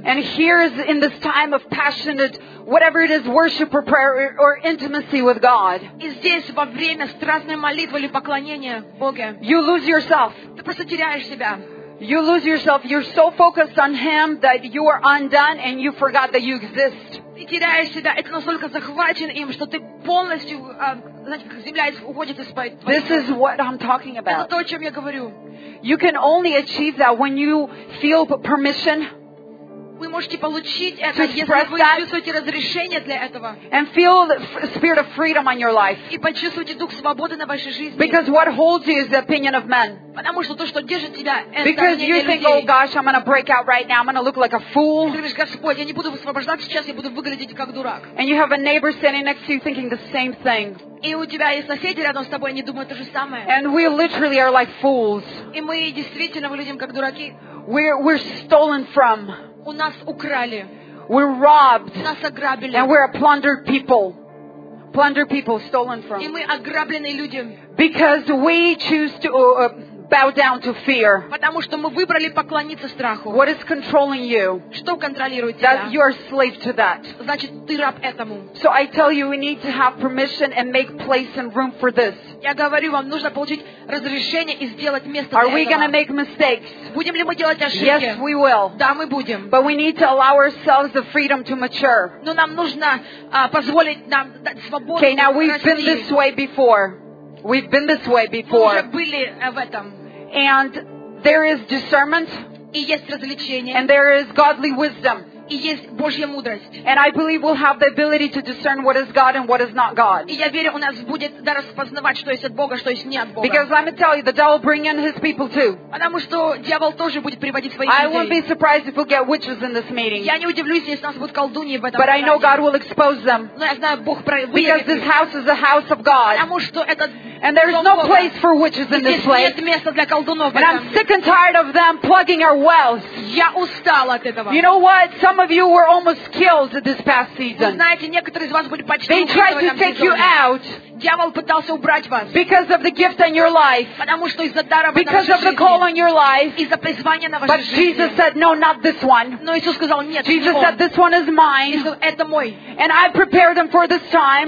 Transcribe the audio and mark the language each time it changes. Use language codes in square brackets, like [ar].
[en] And here is in this time of passionate, whatever it is, worship or prayer or intimacy with God. [ru] И здесь во время страстной молитвы или поклонения Богу. [en] You lose yourself. [ru] Ты просто теряешь себя. [en] You lose yourself. You're so focused on Him that you are undone and you forgot that you exist. [ru] Ты теряешь себя. Это настолько захвачен им, что ты полностью, знаете, как земля уходит из-под. [en] This is what I'm talking about. [ru] Это то, о чем я говорю. [en] You can only achieve that when you feel permission. [ru] Вы можете получить это, если вы чувствуете разрешение для этого. [en] And feel the spirit of freedom on your life. [ru] И почувствуйте дух свободы на вашей жизни. [en] Because what holds you is the opinion of men. [ru] Потому что то, что держит тебя, это мнение людей. [en] Because you think, oh gosh, I'm going to break out right now. I'm going to look like a fool. [ru] Ты говоришь, Господь, я не буду высвобождаться сейчас, я буду выглядеть как дурак. [en] And you have a neighbor standing next to you thinking the same thing. [ru] И у тебя есть соседи рядом с тобой, они думают то же самое. [en] And we literally are like fools. [ru] И мы действительно выглядим как дураки. [en] We're stolen from. [ru] У нас украли. [en] We're robbed. [ru] Нас ограбили. [en] And we're a plundered people. Plundered people, stolen from. [ru] И мы ограбленные люди. [en] Because we choose to bow down to fear. [ru] Потому что мы выбрали поклониться страху. [en] What is controlling you? [ru] Что контролирует тебя? [en] That you are slave to that. [ru] Значит, ты раб этому. [en] So I tell you, we need to have permission and make place and room for this. [ru] Я говорю вам, нужно получить разрешение и сделать место для этого. [en] Are we going to make mistakes? [ru] Будем ли мы делать ошибки? [en] Yes, we will. [ru] Да, мы будем. [en] But we need to allow ourselves the freedom to mature. [ru] Но нам нужно позволить нам дать свободу. [en] Okay, now we've been this way before. We've been this way before. [ru] Мы уже были в этом. [en] And there is discernment. [ru] И есть развлечение. [en] And there is godly wisdom. [ru] И есть Божья мудрость. [en] And I believe we'll have the ability to discern what is God and what is not God. [ru] И я верю, у нас будет дар распознавать, что есть от Бога, что есть не от Бога. [en] Because let me tell you, the devil bring in his people too. [ru] Потому что дьявол тоже будет приводить своих людей. [en] I won't be surprised if we'll get witches in this meeting. [ru] Я не удивлюсь, если у нас будут колдуньи в этом. [en] But I know God will expose them. [ru] Но я знаю, Бог про. [en] Because this house is the house of God. [ru] Потому что этот. [en] And there's no place for witches in this place. [ru] Здесь нет места для колдунов. [en] And I'm sick and tired of them plugging our wells. [ru] Я устал от этого. [en] You know what? Some of you were almost killed this past season. [ru] Знаете, некоторые из вас были почти. [en] They tried to take you out. [ru] Дьявол пытался убрать вас. [en] Because of the gift on your life. [ru] Потому что из-за дара. [en] Because of the call on your life. [ru] Из-за призвания на вашей жизни. [en] But Jesus said, "No, not this one." [ru] Но Иисус сказал, нет. [en] Jesus said, "This one is mine." [ru] Это мой. [en] And I prepared them for this time.